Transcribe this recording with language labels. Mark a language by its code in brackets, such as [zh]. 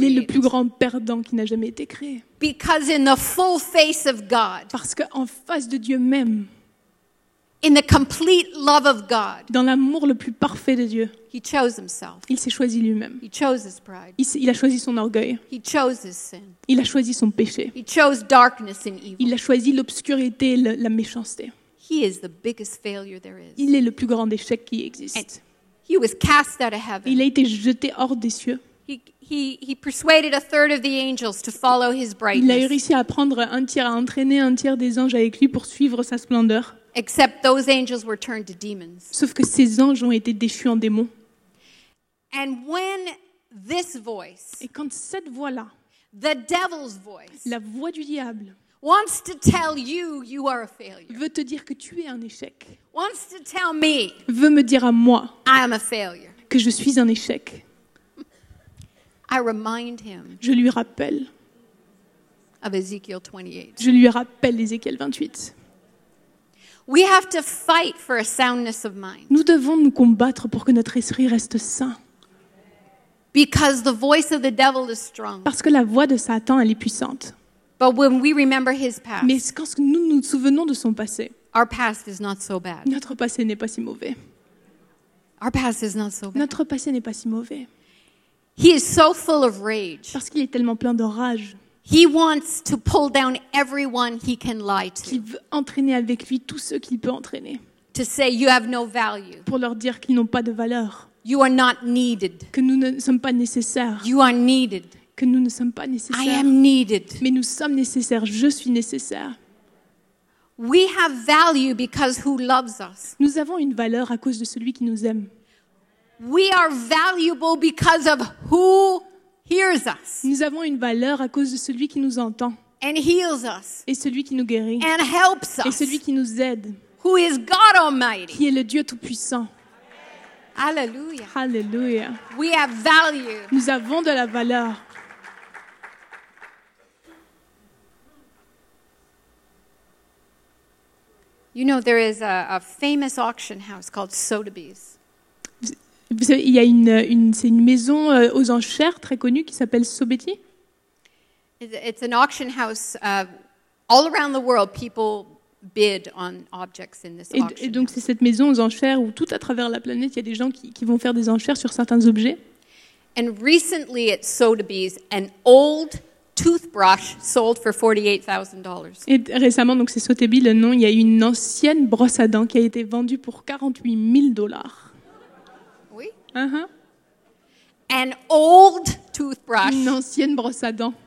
[fr] Il est le plus grand perdant qui n'a jamais été créé. [en] Because in the full face of God. [fr] Parce que en face de Dieu même. [en] In the complete love of God. [fr] Dans l'amour le plus parfait de Dieu. [en] He chose himself. [fr] Il s'est choisi lui-même. [en] He chose his pride. [fr] Il a choisi son orgueil. [en] He chose his sin. [fr] Il a choisi son péché. [en] He chose darkness and evil. [fr] Il a choisi l'obscurité et la méchanceté. [en] He is the biggest failure there is. [fr] Il est le plus grand échec qui existe. [en] And he was cast out of heaven. [fr] Il a été jeté hors des cieux. [en] He persuaded a third of the angels to follow his brightness. [fr] Il a réussi à prendre un tiers, à entraîner un tiers des anges avec lui pour suivre sa splendeur. [en] Except those angels were turned to demons. [fr] Sauf que ces anges ont été déchus en démons. [en] And when this voice, [fr] et quand cette voix-là, [en] the devil's voice, [fr] la voix du diable, [en] wants to tell you you are a failure. [fr] Veut te dire que tu es un échec. [en] Wants to tell me. [fr] Veut me dire à moi. [en] I am a failure. [fr] Que je suis un échec. [en] I remind him. [fr] Je lui rappelle. [en] Of Ezekiel 28. [fr] Je lui rappelle Ézéchiel 28. [en] We have to fight for a soundness of mind. [fr] Nous devons nous combattre pour que notre esprit reste sain. [en] Because the voice of the devil is strong. [fr] Parce que la voix de Satan elle est puissante. [en] But when we remember his past, [fr] mais quand nous souvenons de son passé, [en] our past is not so bad. [fr] Notre passé n'est pas si mauvais. [en] Our past is not so bad. [fr] Notre passé n'est pas si mauvais. [en] He is so full of rage. [fr] Parce qu'il est tellement plein de rage. [en] He wants to pull down everyone he can lie to. [fr] Il veut entraîner avec lui tous ceux qu'il peut entraîner. [en] To say you have no value. [fr] Pour leur dire qu'ils n'ont pas de valeur. [en] You are not needed. [fr] Que nous ne sommes pas nécessaires. [en] You are needed. [fr] Que nous ne sommes pas nécessaires. [en] I am needed. [fr] Mais nous sommes nécessaires. Je suis nécessaire. [en] We have value because who loves us. [fr] Nous avons une valeur à cause de celui qui nous aime. [en] We are valuable because of who hears us. [fr] Nous avons une valeur à cause de celui qui nous entend. [en] And heals us. [fr] Et celui qui nous guérit. [en] And helps us. [fr] Et celui qui nous aide. [en] Who is God Almighty. [fr] Qui est le Dieu Tout-Puissant. [en] Hallelujah. [fr] Hallelujah. [en] We have value. [fr] Nous avons de la valeur. [en] You know there is a famous auction house called Sotheby's. [fr] Vous savez, il y a c'est une maison aux enchères très connue qui s'appelle Sotheby's. [en] It's an auction house all around the world people bid on objects in this auction. [fr] Et donc c'est cette maison aux enchères où tout à travers la planète, il y a des gens qui vont faire des enchères sur certains objets. [en] And recently at Sotheby's, an old toothbrush sold for $48,000. [fr] Et récemment, donc c'est Sotheby's le nom, il y a une ancienne brosse à dents qui a été vendue pour $48,000. Oui. [en] An old toothbrush. [fr] Une ancienne brosse à dents.